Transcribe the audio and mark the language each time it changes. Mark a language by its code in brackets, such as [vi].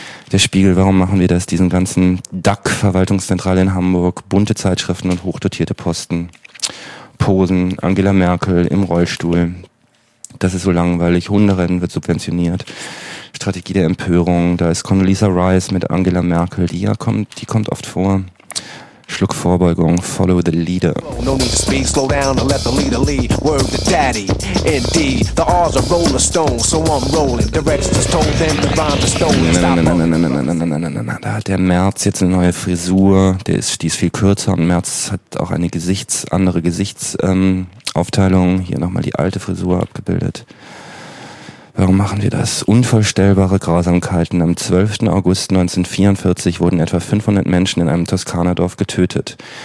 [de] Der Spiegel, warum machen wir das? Diesen ganzen DAK-Verwaltungszentrale in Hamburg, bunte Zeitschriften und hochdotierte Posten, Posen, Angela Merkel im Rollstuhl, das ist so langweilig, Hunderennen wird subventioniert, Strategie der Empörung, da ist Condoleezza Rice mit Angela Merkel, die ja kommt, die kommt oft vor. Schluck Vorbeugung, [en] follow the leader. No need to speed, slow down and let the leader lead. Word to daddy, indeed. The R's a roller stone, so I'm rolling. The register's told them the rhymes are stolen. [de] Da hat der Merz jetzt eine neue Frisur. Die ist viel kürzer und Merz hat auch eine andere Gesichtsaufteilung. Hier nochmal die alte Frisur abgebildet. Warum machen wir das? Unvorstellbare Grausamkeiten. Am 12. August 1944 wurden etwa 500 Menschen in einem Toskanadorf getötet.